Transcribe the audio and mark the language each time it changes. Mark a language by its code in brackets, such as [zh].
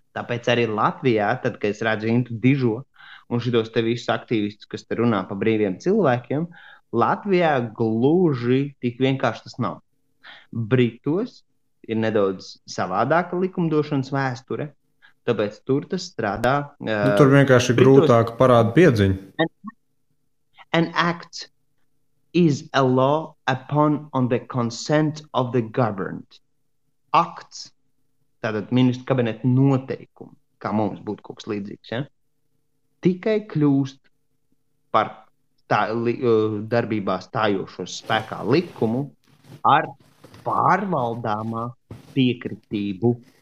[lv] Tāpēc arī Latvijā, tad, kad es redzu intu dižo un šitos te visus aktīvistus, kas te runā pa brīviem cilvēkiem, Latvijā gluži tik vienkārši tas nav. Britos ir nedaudz savādāka likumdošanas vēsture, tāpēc tur tas strādā. Nu, tur vienkārši Britos grūtāk parāda piedziņu. [en] An act is a law upon on the consent of the governed. [lv] Acts, tātad ministru kabineta noteikumi, kā mums būtu kaut kas līdzīgs, ja? Tikai kļūst par tā darbībā stājošo spēkā likumu ar pārvaldāmā piekritību.